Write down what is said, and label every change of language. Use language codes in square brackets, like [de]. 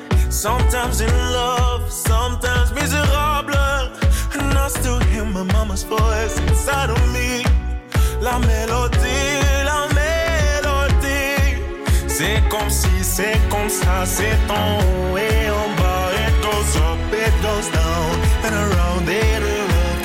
[en] Sometimes in love, sometimes miserable. And I still hear my mama's voice inside of me. [fr] La mélodie, la mélodie. C'est comme ça, c'est en haut et en bas. [en] It goes up, it goes down, and around it all.